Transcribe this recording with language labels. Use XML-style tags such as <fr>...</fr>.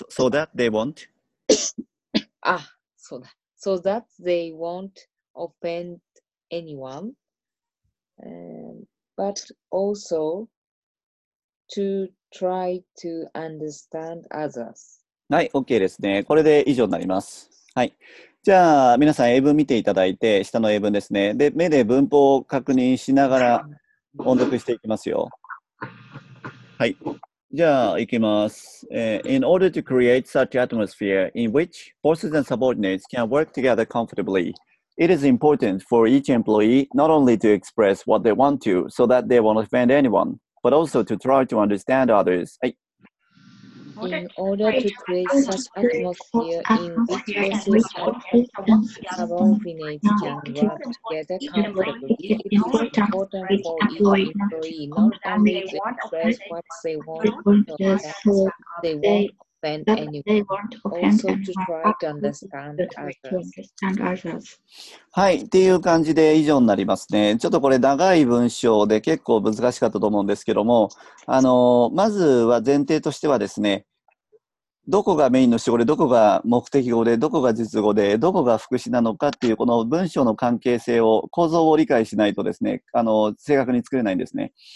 <en>so that they won't. So that they won't offend anyone, but also to try to understand others.</en> <ja>はい、OK ですね。これで以上になります。はい。じゃあ、皆さん英文見ていただいて、下の英文ですね。で、目で文法を確認しながら音読していきますよ。はい。じゃあ、いきます。</ja> <en>In order to create such atmosphere in which bosses and subordinates can work together comfortably, it is important for each employee not only to express what they want to so that they won't offend anyone, but also to try to understand others.</en> <ja>はい。</ja> <en>In order to create such atmosphere in which bosses and subordinates can work together comfortably, it is important for each employee not only to express what they want, but also they won't offend anyone, also to try to understand others.</en> <ja>はい、っていう感じで以上になりますね。ちょっとこれ長い文章で結構難しかったと思うんですけども、まずは前提としてはですね、どこがメインの主語で、どこが目的語で、どこが述語で、どこが副詞なのかっていう、この文章の関係性を、構造を理解しないとですね、正確に作れないんですね。</ja>